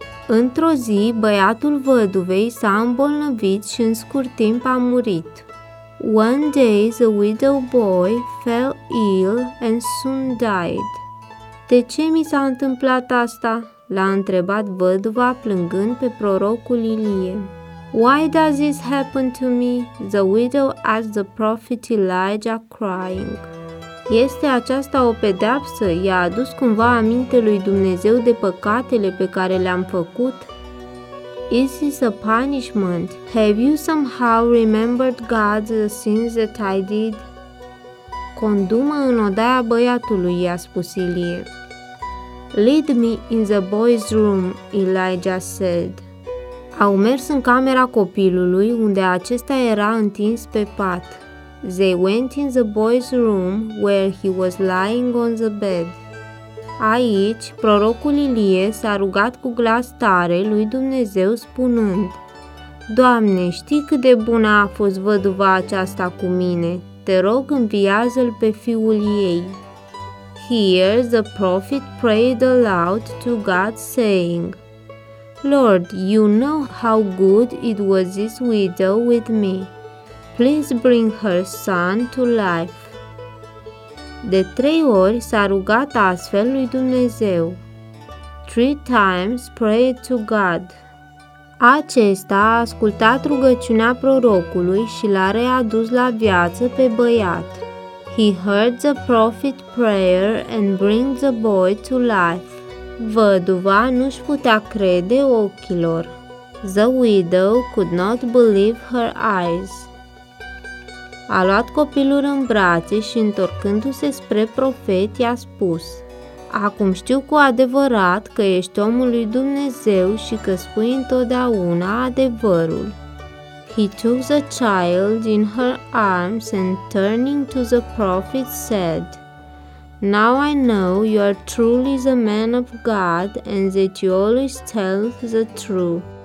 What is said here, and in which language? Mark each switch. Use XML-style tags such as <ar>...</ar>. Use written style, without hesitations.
<ro>Într-o zi, băiatul văduvei s-a îmbolnăvit și în scurt timp a murit.</ro> <en>One day, the widow boy fell ill and soon died.</en> <ro>De ce mi s-a întâmplat asta? L-a întrebat văduva plângând pe prorocul Ilie.</ro> <en>Why does this happen to me? The widow asked the prophet Elijah crying.</en> <ro>Este aceasta o pedeapsă? I-a adus cumva aminte lui Dumnezeu de păcatele pe care le-am făcut?</ro> <en>Is this a punishment? Have you somehow remembered God the sins that I did?</en> <ro>Condu-mă în odaia băiatului, i-a spus Ilie.</ro> <en>Lead me in the boy's room, Elijah said.</en> <ro>Au mers în camera copilului, unde acesta era întins pe pat.</ro> <en>They went in the boy's room, where he was lying on the bed.</en> <ro>Aici, prorocul Ilie s-a rugat cu glas tare lui Dumnezeu spunând, Doamne, știi cât de bună a fost văduva aceasta cu mine? Te rog, înviază-l pe fiul ei.</ro> <en>Here the prophet prayed aloud to God, saying, Lord, you know how good it was this widow with me. Please bring her son to life.</en> <ro>De trei ori s-a rugat astfel lui Dumnezeu.</ro> <en>Three times prayed to God.</en> <ro>Acesta a ascultat rugăciunea prorocului și l-a readus la viață pe băiat.</ro> <en>He heard the prophet prayer and bring the boy to life.</en> <ro>Văduva nu-și putea crede ochilor.</ro> <en>The widow could not believe her eyes.</en> <ro>A luat copilul în brațe și, întorcându-se spre profet, i-a spus, Acum știu cu adevărat că ești omul lui Dumnezeu și că spui întotdeauna adevărul.</ro> <en>He took the child in her arms and turning to the prophet said, "Now I know you are truly the man of God and that you always tell the truth."</en>